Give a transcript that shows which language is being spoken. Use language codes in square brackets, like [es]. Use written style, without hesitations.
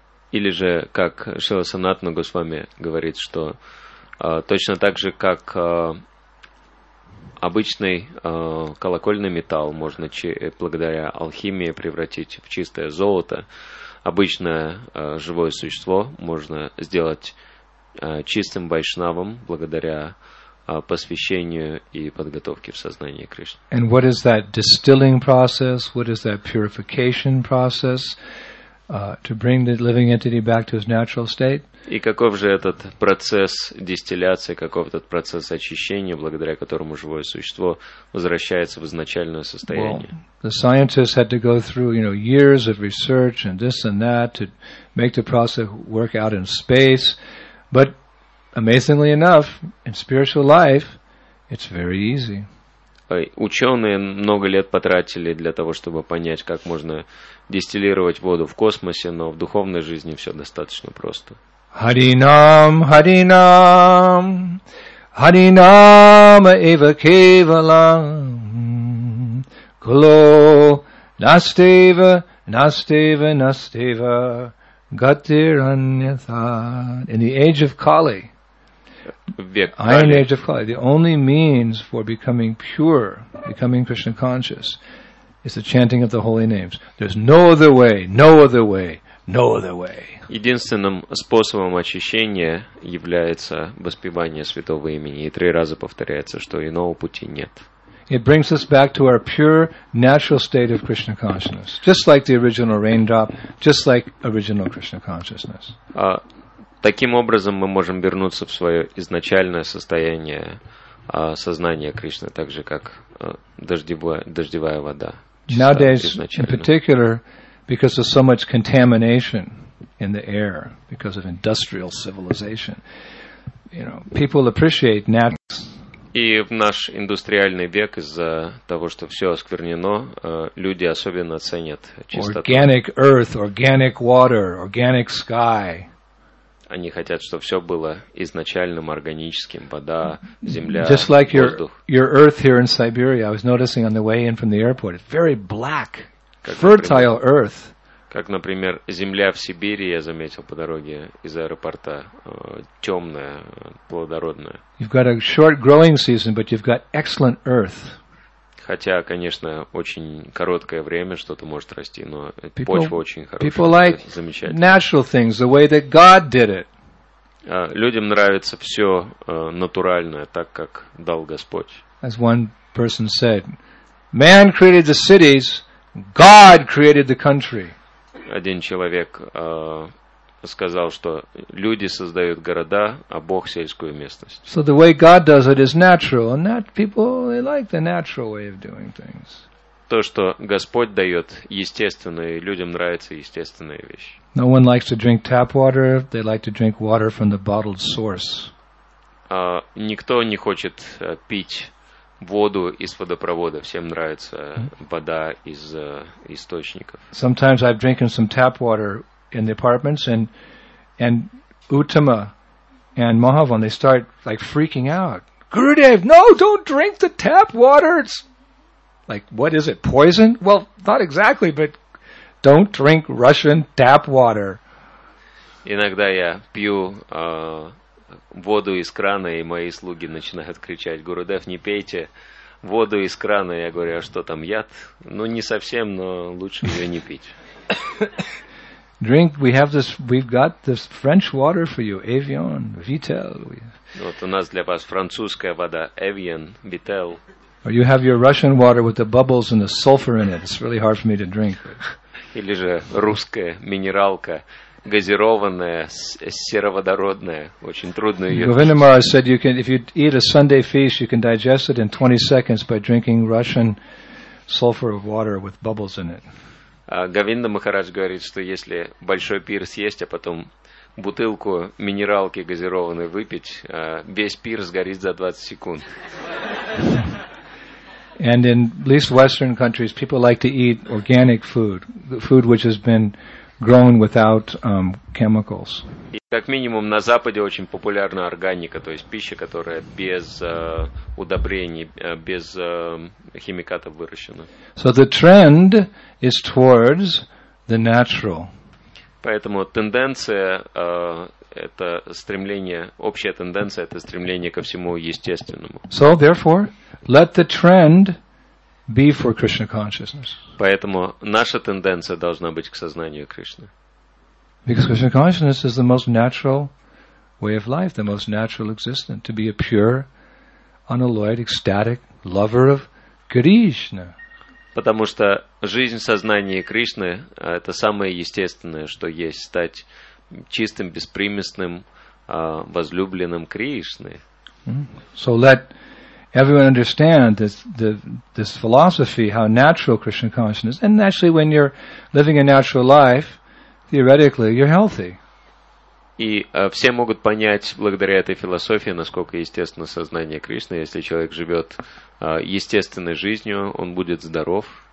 [ru] Или же, как Шрила Санатана Госвами говорит, что точно так же, как обычный колокольный металл можно благодаря алхимии превратить в чистое золото, обычное живое существо можно сделать чистым вайшнавом благодаря посвящению и подготовке в сознании Кришны. [en] And what is that distilling process? What is that purification process? to bring the living entity back to his natural state. [ru] И каков же этот процесс дистилляции, каков этот процесс очищения, благодаря которому живое существо возвращается в изначальное состояние? [en] Well, the scientists had to go through, you know, years of research and this and that to make the process work out in space. But amazingly enough, in spiritual life, it's very easy. [ru] Ученые много лет потратили для того, чтобы понять, как можно дистиллировать воду в космосе, но в духовной жизни все достаточно просто. [sa] Харинам, Харинам, Харинам, Эва Кевалам, Кло, Настева, Настева, Настева, Гатир Аньята. [en] In the age of Kali, Iron Age of Kali, the only means for becoming pure, becoming Krishna conscious, is the chanting of the holy names. There's no other way, no other way, no other way. [ru] Единственным способом очищения является воспевание святого имени, и три раза повторяется, что иного пути нет. [en] It brings us back to our pure, natural state of Krishna consciousness, just like the original raindrop, just like original Krishna consciousness. [ru] Таким образом мы можем вернуться в свое изначальное состояние сознания Кришны, так же как дождевая вода. [en] Nowadays, in particular, because of so much contamination in the air, because of industrial civilization, you know, people appreciate natural. [ru] И в наш индустриальный век из-за того, что все осквернено, люди особенно ценят чистоту. [en] Organic earth, organic water, organic sky. [ru] Они хотят, чтобы все было изначальным, органическим, вода, земля, [en] just like [ru] воздух. [en] Your earth here in Siberia, I was noticing on the way in from the airport, it's very black, fertile earth. [ru] Как, например, земля в Сибири, я заметил по дороге из аэропорта, темная, плодородная. [en] You've got a short growing season, but you've got excellent earth. [ru] Хотя, конечно, очень короткое время что-то может расти, но почва очень хорошая. [en] People like natural things, the way that God did it. [ru] Людям нравится все натуральное, так как дал Господь. [en] As one person said, man created the cities, God created the country. [ru] Один человек сказал, что люди создают города, а Бог сельскую местность. [en] So the way God does it is natural, and that people, they like the natural way of doing things. [ru] То, что Господь дает естественное, людям нравится естественная вещь. [en] No one likes to drink tap water, they like to drink water from the bottled source. [ru] Никто не хочет пить воду из водопровода, всем нравится вода из источников. [en] Sometimes I've drinking some tap water in the apartments, and Uttama and Mahavan, they start like freaking out. Gurudev, no, don't drink the tap water. It's like, what is it, poison? Well, not exactly, but don't drink Russian tap water. [ru] Иногда я пью воду из крана, и мои слуги начинают кричать, Гурудев, не пейте воду из крана. Я говорю, а что там, яд? Ну, не совсем, но лучше ее не пить. [en] Drink, we have this, we've got this French water for you, Evian, Vittel. [ru] Вот у нас для вас французская вода, Evian, Vittel. [en] Or you have your Russian water with the bubbles and the sulfur in it. It's really hard for me to drink. [ru] Или же русская минералка, газированная, сероводородная, очень трудно ее. [en] Govindamar said you can, if you eat a Sunday feast, you can digest it in 20 seconds by drinking Russian sulfur water with bubbles in it. [ru] Говинда Махарадж говорит, что если большой пир съесть, а потом бутылку минералки газированной выпить, весь пир сгорит за 20 секунд. [en] And in at least Western countries, people like to eat organic food, the food which has been grown without chemicals. [ru] И как минимум на Западе очень популярна органика, то есть пища, которая без удобрений, без химикатов выращена. [en] So the trend is towards the natural. [ru] Поэтому тенденция это стремление, общая тенденция это стремление ко всему естественному. [en] So therefore, let the trend be for Krishna consciousness. [ru] Поэтому наша тенденция должна быть к сознанию Кришны. [en] Because Krishna consciousness is the most natural way of life, the most natural existence, to be a pure, unalloyed, ecstatic lover of Krishna. [ru] Потому что жизнь сознания Кришны – это самое естественное, что есть, стать чистым, беспримесным возлюбленным Кришны. [en] So let everyone understand this philosophy, how natural Krishna consciousness is. And actually, when you're living a natural life, theoretically, you're healthy. [ru] И все могут понять, благодаря этой философии, насколько естественно сознание Кришны. Если человек живет естественной жизнью, он будет здоров.